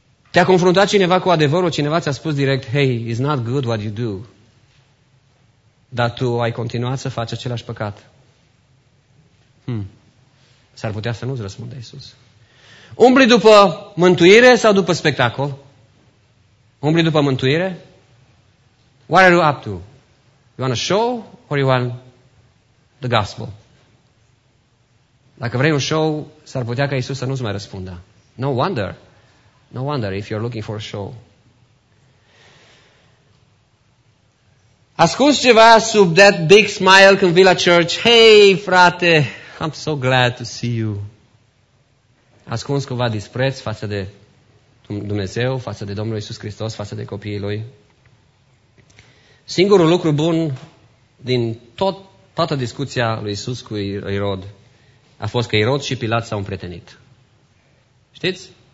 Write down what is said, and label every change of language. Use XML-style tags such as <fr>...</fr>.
<ro>Te-a confruntat cineva cu adevărul? Cineva ți-a spus direct,</ro> <en>hey, it's not good what you do.</en> <ro>Dar tu ai continuat să faci același păcat. S-ar putea să nu-ți răspundă Iisus. Umbli după mântuire sau după spectacol? Umbli după mântuire?</ro> <en>What are you up to? You want a show or you want the gospel?</en> <ro>Dacă vrei un show, s-ar putea ca Iisus să nu-ți mai răspundă.</ro> <en>No wonder. No wonder if you're looking for a show.</en> <ro>Ascunzi ceva sub</ro> <en>that big smile</en> <ro>când vii la church.</ro> <en>Hey, frate, I'm so glad to see you.</en> <ro>Ascunzi cumva dispreț față de Dumnezeu, față de Domnul Iisus Hristos, față de copiii Lui. Singurul lucru bun din toată discuția lui Iisus cu Irod a fost că Irod și Pilat s-au împrietenit. Știți?</ro>